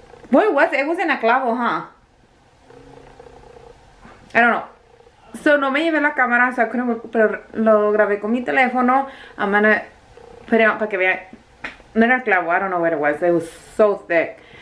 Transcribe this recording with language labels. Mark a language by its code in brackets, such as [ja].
[en] What was it? It was in a clavo, huh? I don't know. [es] So, no me llevé la cámara, [en] so I couldn't work, [es] pero lo grabé con mi teléfono. [en] I'm gonna put it on [es] para que vean. No era clavo, [en] I don't know what it was. It was so thick.